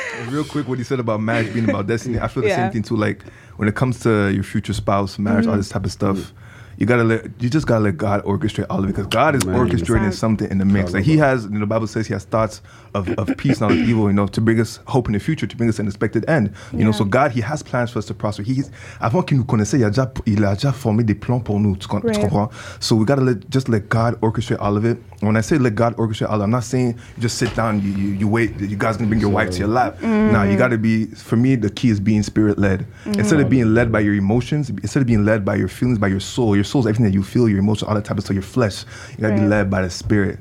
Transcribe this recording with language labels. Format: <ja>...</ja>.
<en>Real quick, what you said about marriage being about destiny, I feel the same thing too. Like, when it comes to your future spouse, marriage, all this type of stuff, you just gotta let God orchestrate all of it, because God is orchestrating something in the mix. Like, the Bible says he has thoughts of peace, not of evil, you know, to bring us hope in the future, to bring us an expected end, you know. So God, he has plans for us to prosper.</en> <fr>He's avant qu'il nous connaisse, il a déjà formé des plans pour nous. Tu comprends?</fr> <en>So we gotta let God orchestrate all of it. When I say let God orchestrate all of it, I'm not saying you just sit down, you wait, you guys gonna bring your wife to your lap. Mm-hmm. Nah, you gotta be. For me, the key is being spirit led. Mm-hmm. Instead of being led by your emotions, instead of being led by your feelings, by your soul. Your soul is everything that you feel, your emotions, all that type of stuff. Your flesh, you gotta be led by the Spirit.</en>